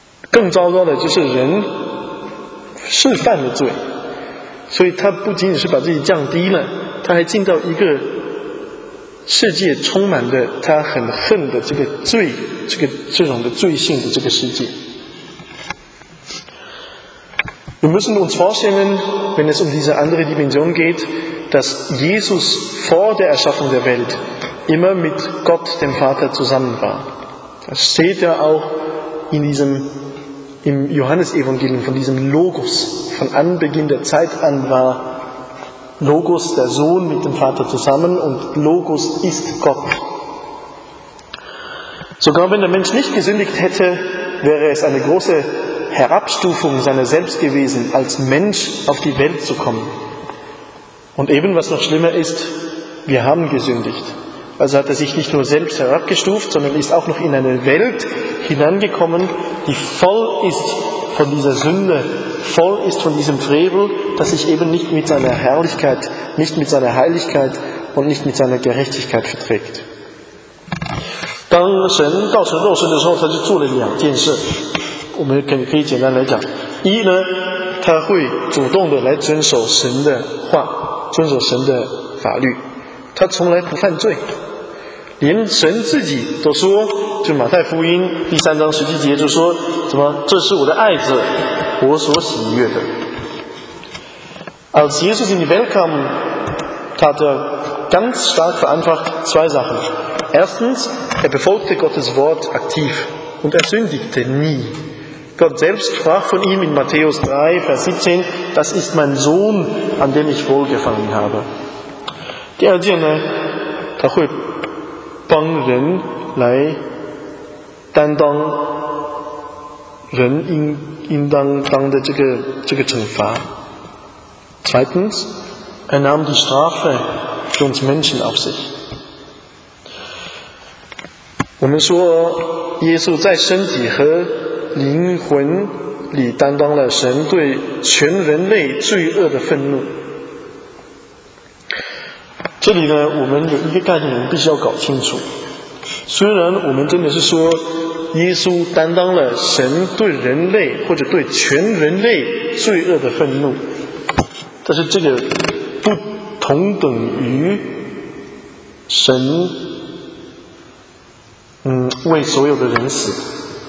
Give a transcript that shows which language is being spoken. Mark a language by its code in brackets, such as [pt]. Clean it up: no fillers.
[zh] 更糟糕的就是人是犯了罪，所以他不仅仅是把自己降低了，他还进到一个世界充满的他很恨的这个罪，这种的罪性的这个世界。 [de] Wir müssen uns vorstellen, wenn es um diese andere Dimension geht, dass Jesus vor der Erschaffung der Welt immer mit Gott, dem Vater, zusammen war. Das steht ja auch in diesem, im Johannesevangelium von diesem Logos. Von Anbeginn der Zeit an war Logos der Sohn mit dem Vater zusammen und Logos ist Gott. Sogar wenn der Mensch nicht gesündigt hätte, wäre es eine große Herabstufung seiner selbst gewesen, als Mensch auf die Welt zu kommen. Und eben, was noch schlimmer ist, wir haben gesündigt. Also hat er sich nicht nur selbst herabgestuft, sondern ist auch noch in eine Welt hineingekommen, die voll ist von dieser Sünde, voll ist von diesem Frevel, das sich eben nicht mit seiner Herrlichkeit, nicht mit seiner Heiligkeit und nicht mit seiner Gerechtigkeit verträgt. [zh] 当神道成肉身的时候，他就做了两件事。我们可以简单来讲，一呢，他会主动的来遵守神的话，遵守神的法律，他从来不犯罪，连神自己都说，就马太福音第三章十七节就说，什么，这是我的爱子，我所喜悦的。 [de] Als Jesus in die Welt kam, tat er ganz stark vereinfacht zwei Sachen. Erstens, er befolgte Gottes Wort aktiv und er sündigte nie. Gott selbst sprach von ihm in Matthäus 3, Vers 17, das ist mein Sohn, an dem ich wohlgefallen habe. [zh] 第二件呢，他会帮人来担当人应当的这个惩罚。 [de] Zweitens, er nahm die Strafe für uns Menschen auf sich. [zh] 我们说，耶稣在身体和灵魂里担当了神对全人类罪恶的愤怒。这里呢，我们有一个概念，我们必须要搞清楚。虽然我们真的是说耶稣担当了神对人类或者对全人类罪恶的愤怒，但是这个不同等于神为所有的人死。